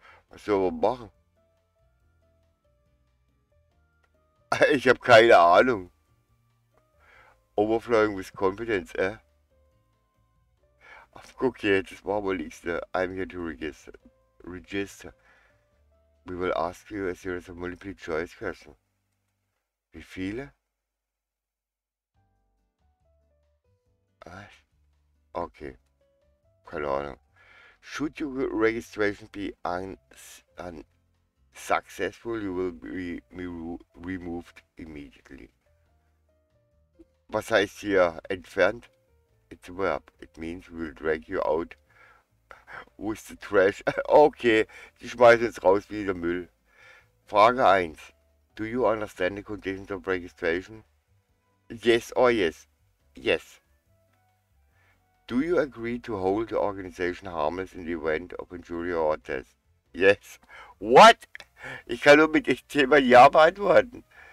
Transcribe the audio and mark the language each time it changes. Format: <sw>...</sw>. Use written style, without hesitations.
<de>Was soll man machen? Ich habe keine Ahnung.</de> <en>Overflowing with confidence, eh?</en> <de>Ach, guck hier, das war wohl nichts, ne?</de> <en>I'm here to register. We will ask you a series of multiple choice questions.</en> <de>Wie viele? Was? Okay, keine Ahnung.</de> <en>Should your registration be unsuccessful, you will be removed immediately.</en> <de>Was heißt hier entfernt?</de> <en>It's a verb. It means we'll drag you out with the trash.</en> <de>Okay, die schmeißen jetzt raus wie der Müll. Frage 1.</de> <en>Do you understand the conditions of registration? Yes or yes? Yes. Do you agree to hold the organization harmless in the event of injury or death? Yes. What?</en> <de>Ich kann nur mit dem Thema Ja beantworten.</de>